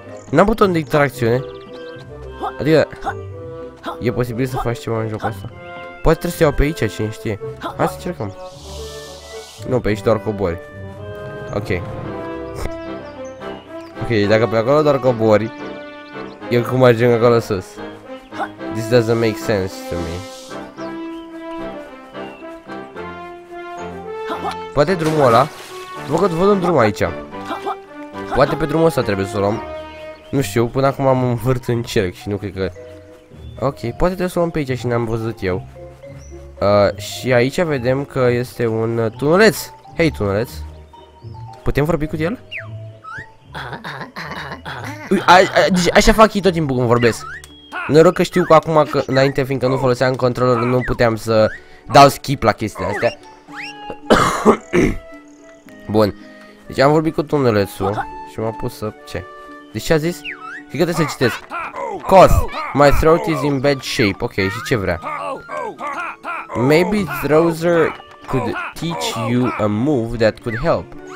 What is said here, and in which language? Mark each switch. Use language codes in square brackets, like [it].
[ro] N-am buton de interacțiune. Adică... e posibil să faci ceva în jocul ăsta? Poate trebuie să iau pe aici, cine știe. Hai să încercăm. Nu, pe aici doar cobori. Ok. Ok, dacă pe acolo doar cobori, eu cum ajung acolo sus? [en] This doesn't make sense to me. [ro] Poate drumul ăla. Văd un drum aici. Poate pe drumul ăsta trebuie să o luăm. Nu știu, până acum am învârt în cerc și nu cred că... ok, poate trebuie să o luăm pe aici și n-am văzut eu. Și aici vedem că este un tunuleț. Hei, tunuleț. Putem vorbi cu el? Deci așa fac ei tot timpul când vorbesc. Noroc că știu că acum, că înainte, fiindcă nu foloseam controller, nu puteam să dau skip la chestiile astea. Bun. Deci am vorbit cu tunelețul și m-a pus să... ce? Deci ce a zis? Cred că trebuie să citesc. [en] Cos, my throat is in bad shape. [ro] Ok, și ce vrea? [en] Maybe Throzer could teach you a move that could help.